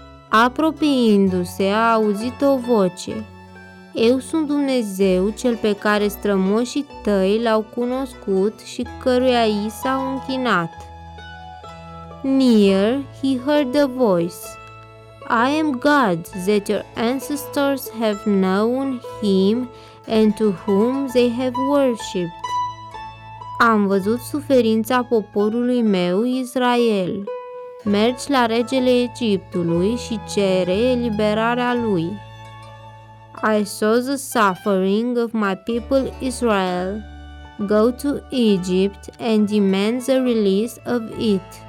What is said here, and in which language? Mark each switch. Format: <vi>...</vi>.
<ro>Apropiindu-se, a auzit o voce. Eu sunt Dumnezeu, cel pe care strămoșii tăi l-au cunoscut și căruia i s-au închinat.</ro> <en>Near, he heard a voice. I am God, that your ancestors have known him and to whom they have worshipped.</en> <ro>Am văzut suferința poporului meu, Israel. Mergi la regele Egiptului și cere eliberarea lui.</ro> <en>I saw the suffering of my people Israel. Go to Egypt and demand the release of it.</en>